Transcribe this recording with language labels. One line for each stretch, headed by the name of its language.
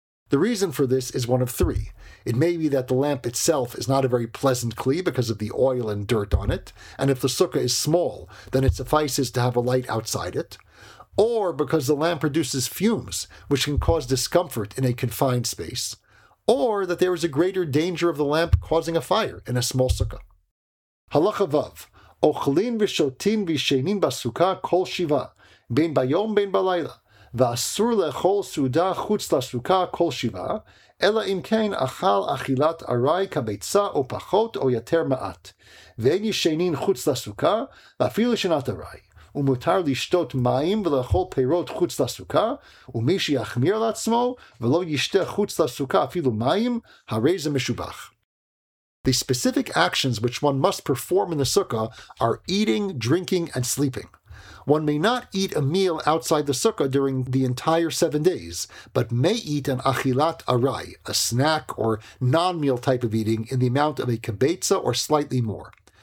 English: The reason for this is one of three. It may be that the lamp itself is not a very pleasant kli because of the oil and dirt on it, and if the sukkah is small, then it suffices to have a light outside it, or because the lamp produces fumes, which can cause discomfort in a confined space, or that there is a greater danger of the lamp causing a fire in a small sukkah.
Hebrew: Halacha Vav, Ochlin v'shotin v'sheinin basukkah kol shiva, bein bayom bein balayla, ואסור לאכול סעודה חוץ לסוכה כל שבעה, אלא אם כן אכל אכילת ארעי כביצה או פחות או יותר מעט, ואין ישנין חוץ לסוכה, ואפילו שנת ארעי, ומותר לשתות מים ולאכול פירות חוץ לסוכה, ומי שיחמיר לעצמו ולא ישתה חוץ לסוכה אפילו מים, הרי זה משובח.
English: The specific actions which one must perform in the sukkah are eating, drinking, and sleeping. One may not eat a meal outside the sukkah during the entire 7 days, but may eat an achilat arai, a snack or non-meal type of eating, in the amount of a kibbetza or slightly more.